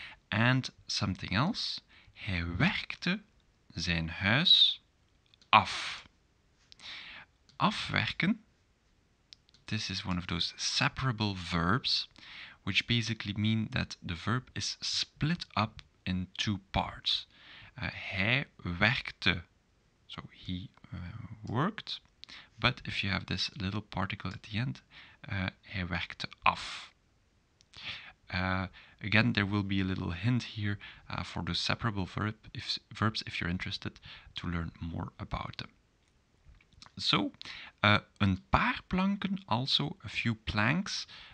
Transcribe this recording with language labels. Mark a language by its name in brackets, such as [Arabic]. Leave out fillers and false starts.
[English] And something else, [Dutch] hij werkte zijn huis af. Afwerken. [English] This is one of those separable verbs, which basically mean that the verb is split up in two parts. [Dutch] Hij werkte, [English] so he worked, but if you have this little particle at the end, [Dutch] hij werkte af. [English] Again, there will be a little hint here for the separable verbs if you're interested to learn more about them. So, [Dutch] een paar planken, [English] also a few planks.